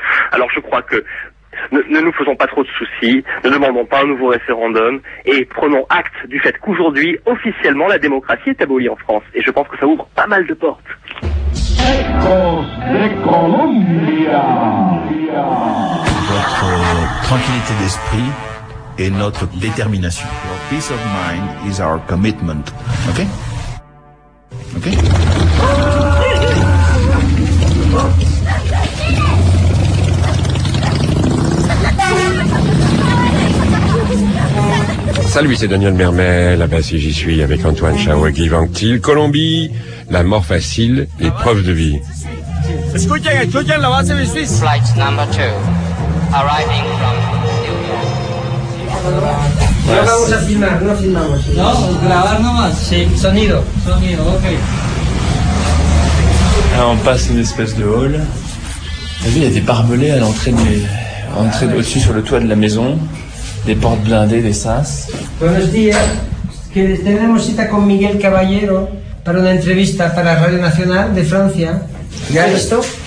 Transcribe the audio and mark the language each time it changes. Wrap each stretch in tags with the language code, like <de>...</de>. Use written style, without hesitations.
<fr>Alors je crois que ne nous faisons pas trop de soucis, ne demandons pas un nouveau référendum et prenons acte du fait qu'aujourd'hui, officiellement, la démocratie est abolie en France. Et je pense que ça ouvre pas mal de portes. Votre tranquillité d'esprit et notre détermination.</fr> <en>Your peace of mind is our commitment. Ok? Ok?</en> <fr>Salut, c'est Daniel Mermet, là-bas si j'y suis avec Antoine Chao et Guy Vanctil, Colombie, la mort facile, l'épreuve de vie. Écoutez, là-bas si j'y suis.</fr> <en>Flight number 2, arriving from</en> <es>New York. Vamos a filmar, no filmamos. No, grabar nomás. Sí, sonido,</es> <fr>ok. Là, on passe une espèce de hall. La ville était parmelée à l'entrée au-dessus sur le toit de la maison. Des portes blindées, des sas.</fr> <es>Buenos días. Que tenemos cita con Miguel Caballero para una entrevista para Radio Nacional de Francia. ¿Ya listo?</es>